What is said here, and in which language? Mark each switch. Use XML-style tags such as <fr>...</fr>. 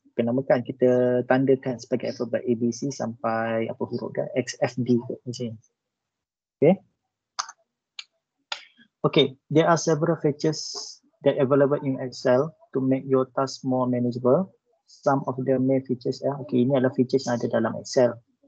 <ms>Kita namakan, kita tandakan sebagai alfabet ABC sampai apa huruf dah, XFD macam ni. Okay,</ms> <en>Okay, there are several features that available in Excel to make your task more manageable. Some of the main features, ya.</en> <ms>Okay, ini adalah features yang ada dalam Excel.</ms>